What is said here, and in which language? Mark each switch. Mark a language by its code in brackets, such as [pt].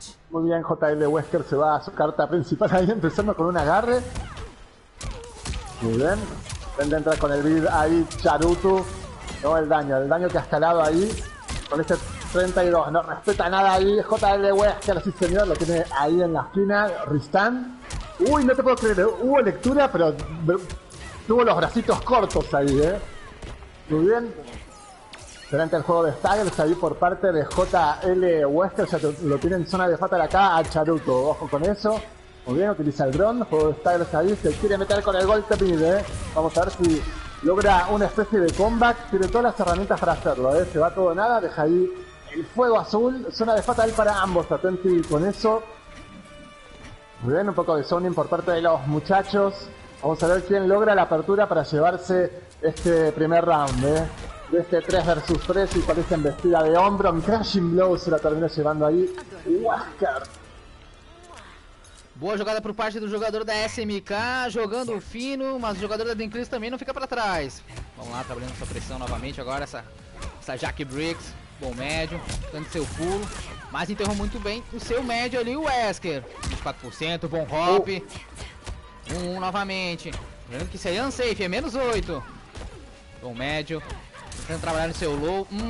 [pt] Muito bem, JL Wesker se vai a sua carta principal aí, começando com um agarre. Muito bem, Brenda entra com o build aí, Charutu. Não, o [es] daño que ha escalado [pt] aí, com este 32, não respeita nada aí, JL Wesker, sim senhor, [es] lo tiene aí en la esquina, [pt] Ristan. [es] Uy, no te puedo creer, hubo lectura, pero tuvo los bracitos cortos ahí, Muy bien. Durante el juego de Staggers ahí por parte de JL Wesker, ya lo tiene en zona de fatal acá a Charutu. Ojo con eso. Muy bien, utiliza el dron, juego de Staggers ahí, se quiere meter con el golpe pide, Vamos a ver si logra una especie de comeback, tiene todas las herramientas para hacerlo, Se va todo nada, deja ahí el fuego azul, zona de fatal para ambos, atenti con eso. Muy bien, un poco de zoning por parte de los muchachos. Vamos a ver quién logra la apertura para llevarse este primer round, De este 3 versus 3 y parece embestida de hombro. Un crashing blow se la termina llevando ahí. ¡Wascar! [pt] Boa jogada por parte [es] del jugador de SMK, jugando fino, [pt] mas el jugador de Dinkris también no fica para atrás. Vamos lá, trabalhando sua pressão novamente agora, essa Jack Briggs. Bom médio, dando seu pulo, mas enterrou muito bem o seu médio ali, o Wesker. 24%, bom hop. 1-1 novamente. Lembrando que isso aí é unsafe, é menos 8. Bom médio, tentando trabalhar no seu low.